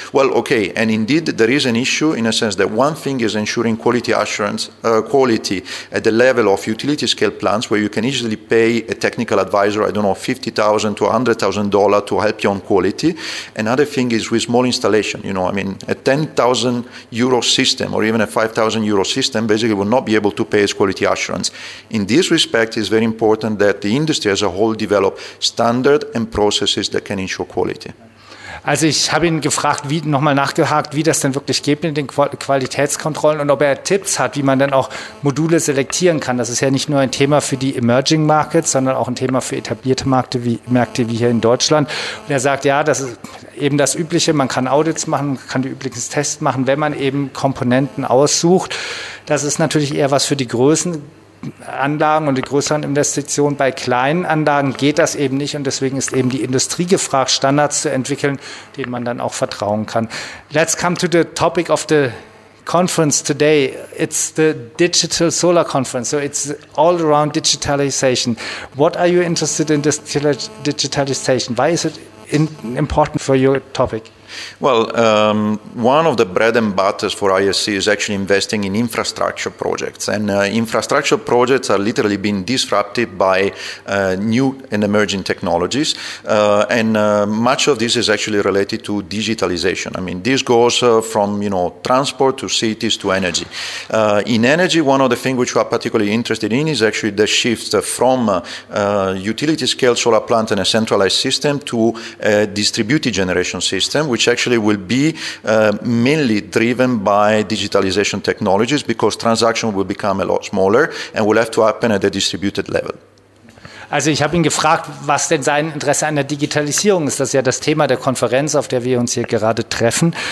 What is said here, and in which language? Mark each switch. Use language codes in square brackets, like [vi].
[en] Well, okay, and indeed there is an issue in a sense that one thing is ensuring quality assurance, quality at the level of utility scale plants where you can easily pay a technical advisor, I don't know, $50,000 to $100,000 to help you on quality. Another thing is with small installation, you know, I mean, a 10,000 euro system or even a 5,000 euro system basically will not be able to pay its quality assurance. In this respect, it's very important that the industry as a whole develop standard and processes that can ensure quality. [de] Also ich habe ihn gefragt, wie nochmal nachgehakt, wie das denn wirklich geht mit den Qualitätskontrollen und ob er Tipps hat, wie man dann auch Module selektieren kann. Das ist ja nicht nur ein Thema für die Emerging Markets, sondern auch ein Thema für etablierte Märkte wie hier in Deutschland. Und er sagt, ja, das ist eben das Übliche, man kann Audits machen, kann die üblichen Tests machen, wenn man eben Komponenten aussucht. Das ist natürlich eher was für die Größen. Anlagen und die größeren Investitionen. Bei kleinen Anlagen geht das eben nicht und deswegen ist eben die Industrie gefragt, Standards zu entwickeln, denen man dann auch vertrauen kann. [en] Let's come to the topic of the conference today. It's the Digital Solar Conference, so it's all around digitalization. What are you interested in this digitalization? Why is it important for your topic? Well, one of the bread and butters for ISC is actually investing in infrastructure projects. And infrastructure projects are literally being disrupted by new and emerging technologies. Much of this is actually related to digitalization. I mean, this goes from, you know, transport to cities to energy. In energy, one of the things which we are particularly interested in is actually the shift from utility-scale solar plant and a centralized system to a distributed generation system, which actually will be mainly driven by digitalization technologies because transactions will become a lot smaller and will have to happen at a distributed level. [de] Also ich habe ihn gefragt, was denn sein Interesse an der Digitalisierung ist. Das ist ja das Thema der Konferenz, auf der wir uns hier gerade treffen.